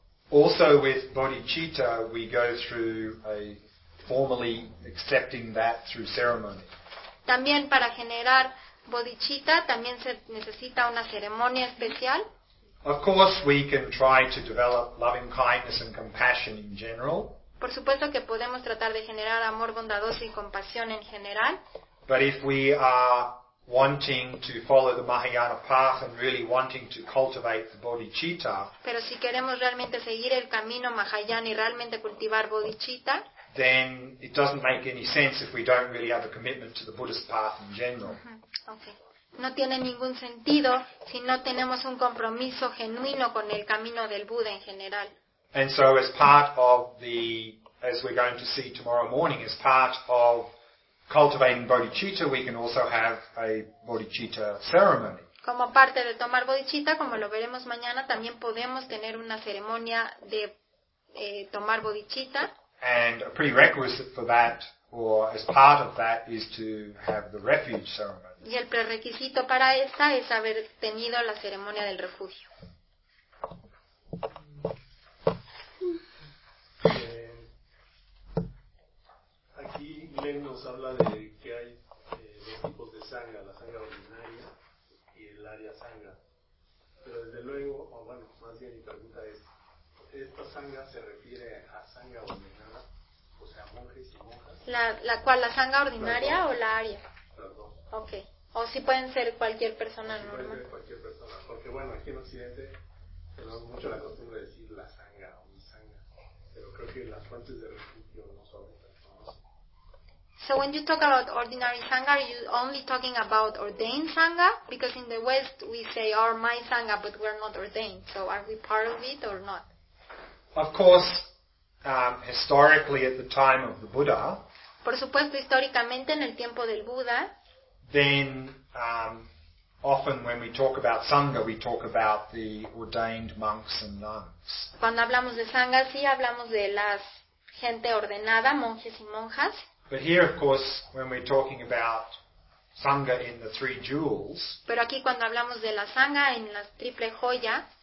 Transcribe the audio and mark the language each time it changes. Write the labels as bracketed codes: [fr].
[en] Also with bodhicitta, we go through a formally accepting that through ceremony. [es] También para generar bodhicitta, también se necesita una ceremonia especial. [en] Of course, we can try to develop loving kindness and compassion in general. [es] Por supuesto que podemos tratar de generar amor bondadoso y compasión en general. [en] But if we are wanting to follow the Mahayana path and really wanting to cultivate the bodhicitta, [es] pero si queremos realmente seguir el camino Mahayana y realmente cultivar bodhicitta, [en] then it doesn't make any sense if we don't really have a commitment to the Buddhist path in general. Okay. [es] No tiene ningún sentido si no tenemos un compromiso genuino con el camino del Buda en general. [en] And so as part of as we're going to see tomorrow morning, as part of cultivating bodhicitta, we can also have a bodhicitta ceremony. [es] Como parte de tomar bodhicitta, como lo veremos mañana, también podemos tener una ceremonia de tomar bodhicitta. [en] And a prerequisite for that, or as part of that, is to have the refuge ceremony. [es] Y el prerequisito para esta es haber tenido la ceremonia del refugio. Aquí Len nos habla de que hay dos tipos de sangha, la sangha ordinaria y el área sangha. Pero desde luego, más bien mi pregunta es, ¿esta sangha se refiere a sangha ordinaria, o sea, monjes y monjas? ¿La cuál, la sangha ordinaria o la área? Perdón. Ok. O si pueden ser cualquier persona normal. Puede ser cualquier persona, porque aquí en Occidente tenemos mucho la costumbre de decir la sangha o mi sangha, pero creo que las fuentes de refugio no son. [en] So when you talk about ordinary sangha, are you only talking about ordained sangha? Because in the West we say, "Oh, my sangha," but we're not ordained. So are we part of it or not? Of course, historically at the time of the Buddha. [es] Por supuesto, históricamente en el tiempo del Buda. [en] Then, often when we talk about sangha, we talk about the ordained monks and nuns. [es] Cuando hablamos de sangha, sí hablamos de las gente ordenada, monjes y monjas. [en] But here, of course, when we're talking about sangha in the three jewels, [es] pero aquí cuando hablamos de la sangha en la triple joya,